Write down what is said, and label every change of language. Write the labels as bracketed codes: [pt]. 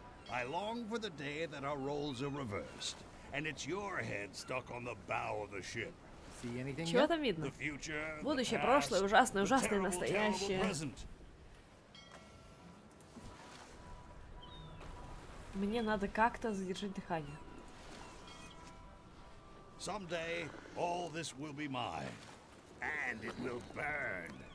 [en] I long for the day that our roles are reversed, and it's your head stuck on the bow of the ship. See anything? [ru] Чего там видно? Будущее, прошлое, ужасное, ужасное, настоящее. Мне надо как-то задержать дыхание. [en] Someday all this will be mine, and it will burn.